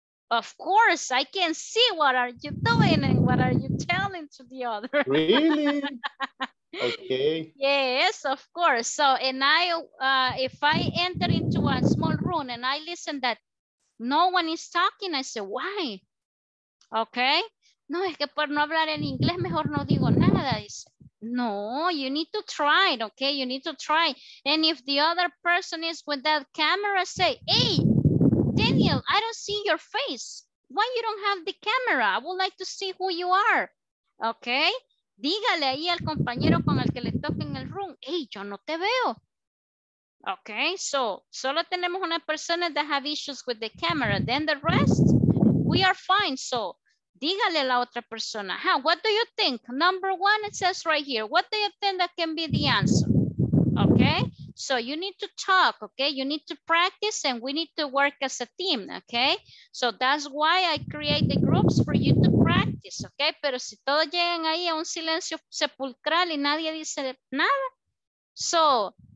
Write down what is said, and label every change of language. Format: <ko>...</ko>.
<en>Of course, I can see what are you doing and what are you telling to the other. Really? Okay. Yes, of course. So, and I, if I enter into a small room and I listen that no one is talking, I say, why? Okay.</en> <es>No, es que por no hablar en inglés, mejor no digo nada.</es> <en>It's, no, you need to try it, okay? You need to try. And if the other person is with that camera, say, hey, Daniel, I don't see your face. Why you don't have the camera? I would like to see who you are, okay?</en> <es>Dígale ahí al compañero con el que le toque en el room, hey, yo no te veo.</es> <en>Okay, so</en> <es>solo tenemos una persona</es> <en>that have issues with the camera. Then the rest, we are fine, so...</en> <es>Dígale a la otra persona.</es> <en>Huh, what do you think? Number one, it says right here. What do you think that can be the answer? Okay? So you need to talk, okay? You need to practice and we need to work as a team, okay? So that's why I create the groups for you to practice, okay?</en> <es>Pero si todos llegan ahí a un silencio sepulcral y nadie dice nada. So</es>